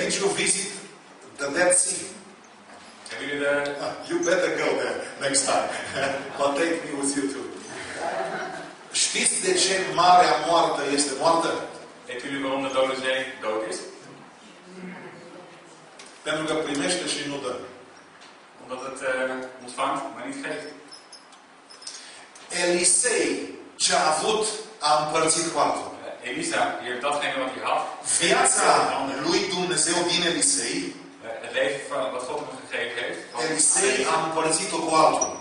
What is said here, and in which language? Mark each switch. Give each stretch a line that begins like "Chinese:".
English: Did you visit the Dead Sea? Have you the... You better go there next time. But take me with you too.
Romanian: Știți de ce marea moarte este moarte?
Dutch: Heb jullie waarom de dode zee dood is?
Romanian: Pentru că primește și nu dă.
Dutch: Omdat het ontvangt, maar niet geeft.
Romanian: Elisei ce a avut a împărțit cu altul.
Dutch: Elisa, die heeft datgene wat hij had.
Romanian: Viața lui Dumnezeu din Elisei.
Dutch: Het leven van wat God hem gegeven heeft.
Romanian: Elisei a împărțit-o cu altul.